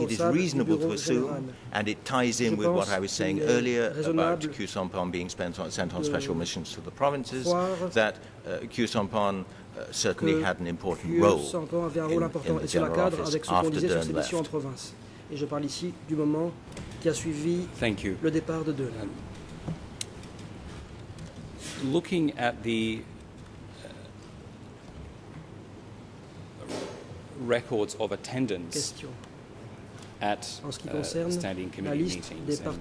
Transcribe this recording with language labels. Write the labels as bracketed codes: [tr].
[en] it is reasonable to assume, and it ties in with what I was saying earlier about Kyusampan being sent on special missions to the provinces, that Kyusampan certainly had an important role in the General Office after Dern left. [fr] Et je parle ici du moment qui a suivi le départ de Dern. [en] Looking at the records of attendance at standing committee meetings,